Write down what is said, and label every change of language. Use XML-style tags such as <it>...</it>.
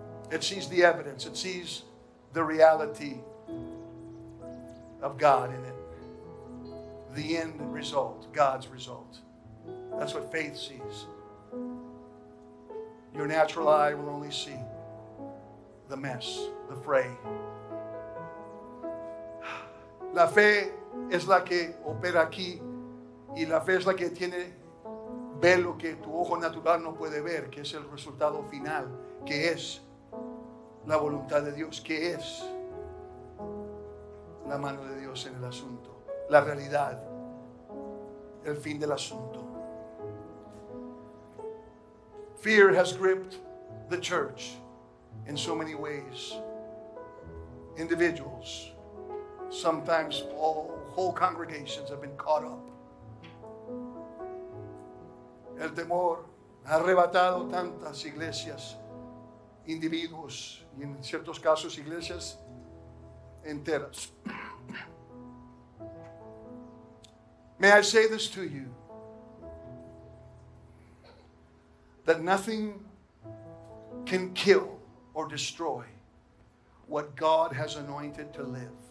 <en>It sees the evidence. It sees the reality of God in it. The end result, God's result. That's what faith sees. Your natural eye will only see the mess, the fray.</en> <es>La fe es la que opera aquí y la fe es la que tiene ver lo que tu ojo natural no puede ver, que es el resultado final, que es la voluntad de Dios, que es la mano de Dios en el asunto, la realidad, el fin del asunto.</es> <en>Fear has gripped the church. In so many ways, individuals, sometimes whole congregations have been caught up.</en> <es>El temor ha arrebatado tantas iglesias, individuos, y en ciertos casos iglesias enteras.</es> <en>May I say this to you, that nothing can kill or destroy what God has anointed to live.</en>